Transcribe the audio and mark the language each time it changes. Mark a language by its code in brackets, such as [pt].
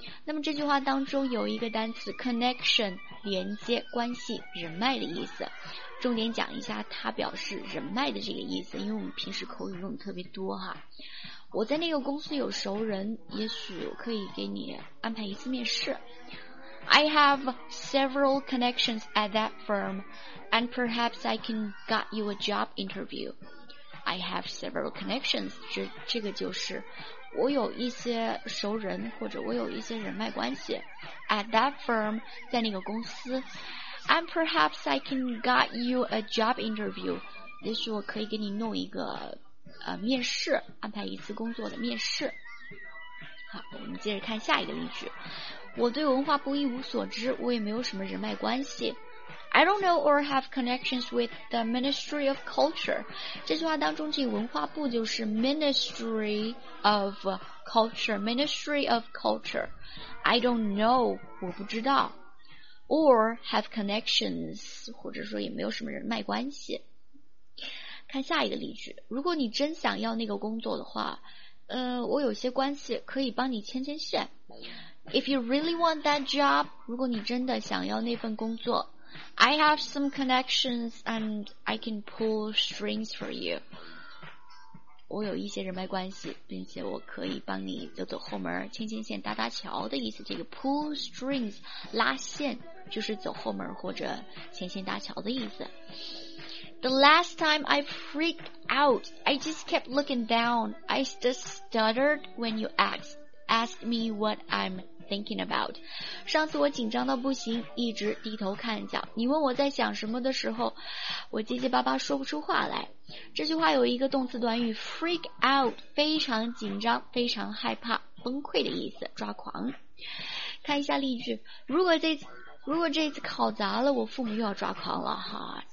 [zh] 那么这句话当中有一个单词 connection， 连接关系人脉的意思，重点讲一下它表示人脉的这个意思，因为我们平时口语用的特别多哈。我在那个公司有熟人，也许我可以给你安排一次面试。 [en] I have several connections at that firm and perhaps I can get you a job interview。 I have several connections， [zh] 这个就是我有一些熟人或者我有一些人脉关系 [en] at that firm， [zh] 在那个公司， [en] and perhaps I can get you a job interview， [zh] 也许我可以给你弄一个面试，安排一次工作的面试。好，我们接着看下一个例句。我对文化部一无所知，我也没有什么人脉关系。 [en] I don't know or have connections with the Ministry of Culture. [zh] 这句话当中，这文化部就是 Ministry of Culture. [en] Ministry of Culture. I don't know, [zh] 我不知道。 [en] Or have connections, [zh] 或者说也没有什么人脉关系。看下一个例句，如果你真想要那个工作的话，我有些关系可以帮你牵牵线。 [en] If you really want that job, [zh] 如果你真的想要那份工作， [en] I have some connections and I can pull strings for you. [zh] 我有一些人脉关系，并且我可以帮你走走后门，牵牵线，搭搭桥的意思。这个 pull strings, 拉线，就是走后门或者牵线搭桥的意思。 [en] The last time I freaked out, I just kept looking down. I just stuttered when you asked me what I'm thinking about. [zh] 上次我紧张到不行，一直低头看脚。你问我在想什么的时候，我结结巴巴说不出话来。这句话有一个动词短语 freak out, 非常紧张，非常害怕，崩溃的意思，抓狂。看一下例句，如果这次考砸了，我父母又要抓狂了哈。